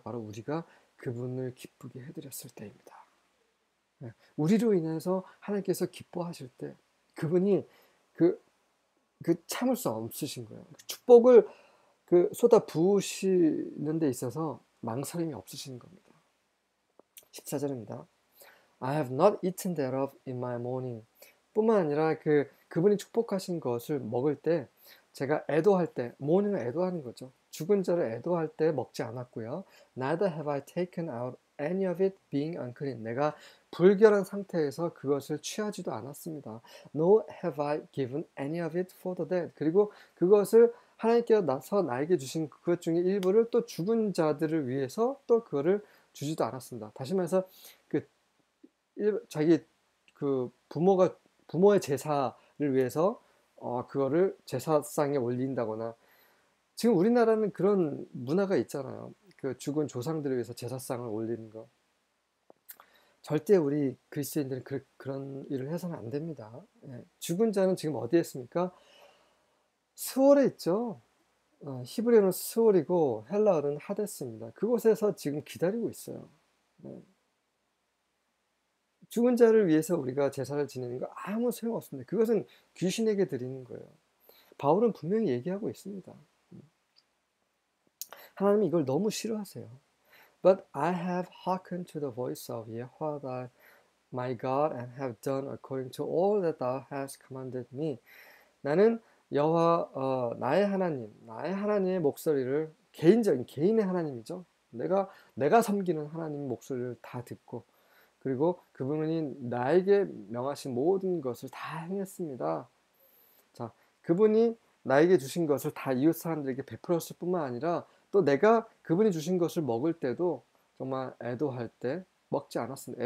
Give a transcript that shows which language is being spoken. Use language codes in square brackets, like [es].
[ko] 바로 우리가 그분을 기쁘게 해드렸을 때입니다. 우리로 인해서 하나님께서 기뻐하실 때 그분이 참을 수 없으신 거예요. 축복을 쏟아 부으시는 데 있어서 망설임이 없으신 겁니다. 14절입니다. [en] I have not eaten thereof in my mourning. [ko] 뿐만 아니라 그분이 축복하신 것을 먹을 때 제가 애도할 때, mourning을 애도하는 거죠. 죽은 자를 애도할 때 먹지 않았고요. [en] Neither have I taken out any of it being unclean. [ko] 내가 불결한 상태에서 그것을 취하지도 않았습니다. [en] Nor have I given any of it for the dead. [ko] 그리고 그것을 하나님께서 나에게 주신 그것 중에 일부를 또 죽은 자들을 위해서 또 그거를 주지도 않았습니다. 다시 말해서 자기 부모의 제사를 위해서 그거를 제사상에 올린다거나 지금 우리나라는 그런 문화가 있잖아요. 그 죽은 조상들을 위해서 제사상을 올리는 거. 절대 우리 그리스도인들은 그런 일을 해서는 안 됩니다. 예. 죽은 자는 지금 어디에 있습니까? 스올에 있죠. 히브리어는 스올이고 헬라어는 하데스입니다. 그곳에서 지금 기다리고 있어요. 예. 죽은 자를 위해서 우리가 제사를 지내는 거 아무 소용없습니다. 그것은 귀신에게 드리는 거예요. 바울은 분명히 얘기하고 있습니다. 하나님이 이걸 너무 싫어하세요. [en] But I have hearkened to the voice of Yehovah my God and have done according to all that thou hast commanded me. [ko] 나는 나의 하나님, 나의 하나님의 목소리를 개인의 하나님이죠. 내가 섬기는 하나님 목소리를 다 듣고 그리고 그분이 나에게 명하신 모든 것을 다 행했습니다. 자, 그분이 나에게 주신 것을 다 이웃 사람들에게 베풀었을 뿐만 아니라 또 내가 그분이 주신 것을 먹을 때도 정말 애도할 때 먹지 않았습니다.